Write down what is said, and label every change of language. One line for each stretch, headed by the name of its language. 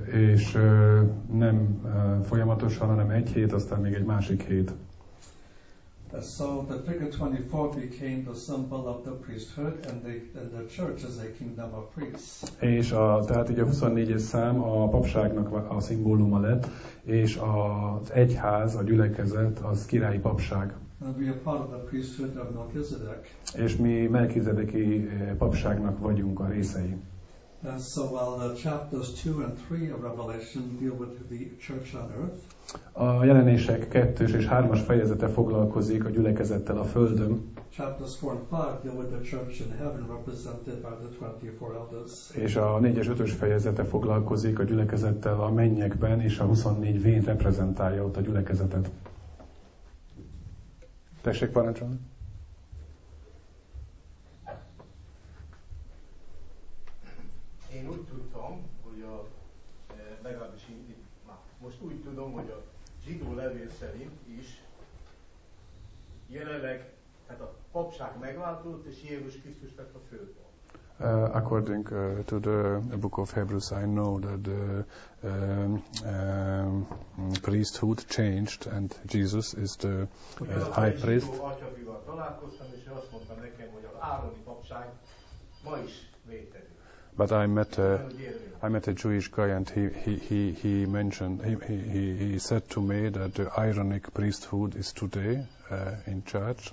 Hungarian: És nem folyamatosan, hanem 1 hét, aztán még egy másik hét.
English: So the figure 24 became the symbol of the priesthood and the church as a kingdom of priests.
Hungarian: És a, tehát így a 24-es szám a papságnak a szimbóluma lett, és az egyház, a gyülekezet, az királyi papság.
English: And we are part of the priesthood of Melchizedek.
Hungarian: És mi Melchizedeki papságnak vagyunk a részei.
English: And so while the chapters 2 and 3 of Revelation deal with the church on earth,
Hungarian: a jelenések 2-es és 3-as fejezete foglalkozik a gyülekezettel a Földön.
English: Chapters 4 and 5 deal with the church in heaven represented by the 24 elders.
Hungarian: És a 4-es, 5-ös fejezete foglalkozik a gyülekezettel a mennyekben, és a 24 vén reprezentálja ott a gyülekezetet. Tessék parancsolni! Én úgy tudtam, hogy a legalábbis most úgy tudom, hogy a zsidó levél szerint is jelenleg, tehát a papság megváltozott, és Jézus Krisztus lett a főpap.
English: According to the book of Hebrews, I know that the priesthood changed and Jesus is the high priest.
Hungarian: Ugyan a zsidó atyavival találkoztam, és azt mondta nekem, hogy az ároni papság ma is vétel.
English: But I met a Jewish guy, and he said to me that the Aaronic priesthood is today in charge.